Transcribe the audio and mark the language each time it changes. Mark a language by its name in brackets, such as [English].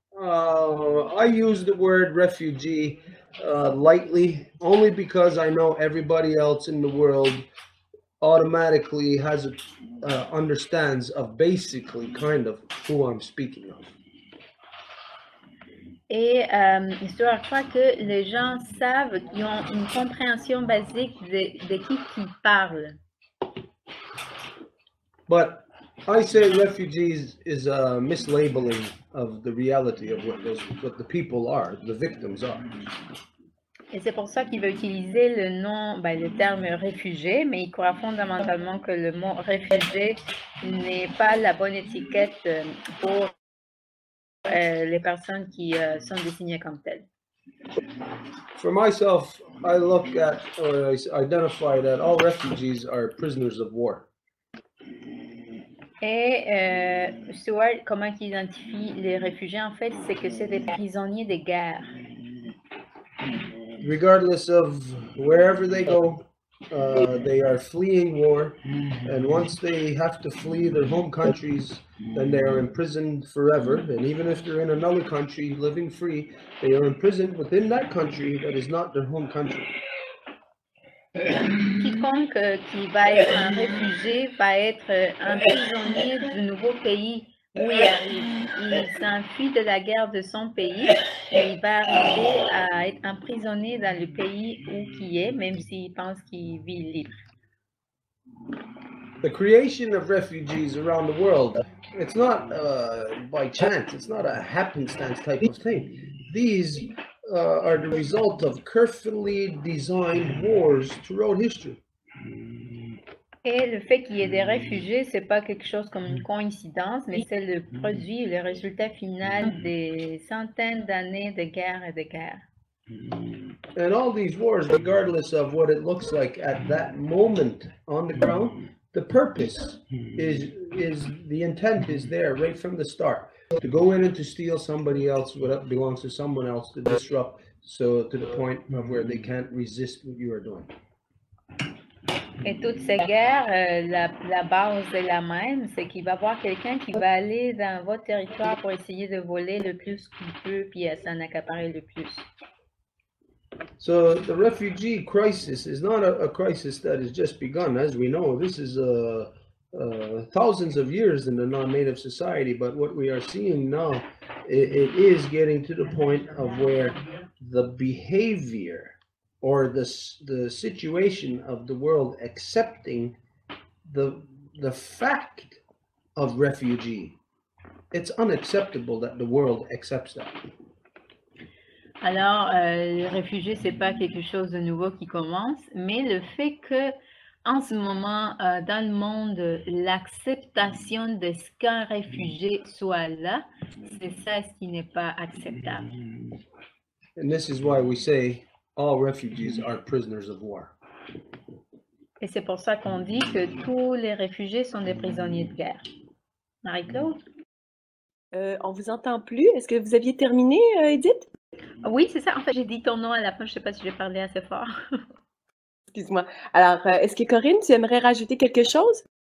[English] I use the word refugee lightly, only because I know everybody else in the world automatically has understands of basically kind of who I'm speaking of. [French] Et histoire, je crois que les gens savent, ils ont une compréhension basique de qui parlent. [English] But I say refugees is a mislabeling of the reality of what the people are, the victims are. [French] Et c'est pour ça qu'il veut utiliser le nom, ben, le terme réfugié, mais il croit fondamentalement que le mot réfugié n'est pas la bonne étiquette pour les personnes qui sont désignées comme telles. [English] For myself, I look at or I identify that all refugees are prisoners of war. [French] Et Stuart, comment il identifie les réfugiés en fait, c'est que c'est des prisonniers de guerre. [English] Regardless of wherever they go, they are fleeing war, and once they have to flee their home countries, then they are imprisoned forever. And even if they're in another country living free, they are imprisoned within that country that is not their home country. [French] Quiconque qui va être un réfugié va être un prisonnier du nouveau pays où il arrive. Il s'enfuit de la guerre de son pays et il va arriver à être un prisonnier dans le pays où il est, même s'il pense qu'il vit libre. [English] The creation of refugees around the world, it's not by chance, it's not a happenstance type of thing. These are the result of carefully designed wars throughout history. [French] Et le fait qu'il y ait des réfugiés, c'est pas quelque chose comme une coïncidence, mais c'est le produit, le résultat final des centaines d'années de guerre et de guerre. [English] And all these wars, regardless of what it looks like at that moment on the ground, the purpose is the intent is there right from the start. To go in and to steal somebody else, what belongs to someone else, to disrupt, so to the point of where they can't resist what you are doing. [French] Et toutes ces guerres, la base est la même, c'est qu'il va voir quelqu'un qui va aller dans votre territoire pour essayer de voler le plus qu'il peut, puis à s'en accaparer le plus. [English] So the refugee crisis is not a crisis that has just begun, as we know. This is a thousands of years in the non-native society, but what we are seeing now, it is getting to the point of where the behavior or the situation of the world accepting the fact of refugee, it's unacceptable that the world accepts that. [French] Alors, le réfugié, c'est pas quelque chose de nouveau qui commence, mais le fait que en ce moment, dans le monde, l'acceptation de ce qu'un réfugié soit là, c'est ça ce qui n'est pas acceptable. [English] And this is why we say all refugees are prisoners of war. [French] Et c'est pour ça qu'on dit que tous les réfugiés sont des prisonniers de guerre. Marie-Claude? On ne vous entend plus. Est-ce que vous aviez terminé, Edith? Oui, c'est ça. En fait, j'ai dit ton nom à la fin. Je ne sais pas si j'ai parlé assez fort. Excuse-moi. Alors, est-ce que Corinne, tu aimerais rajouter quelque chose?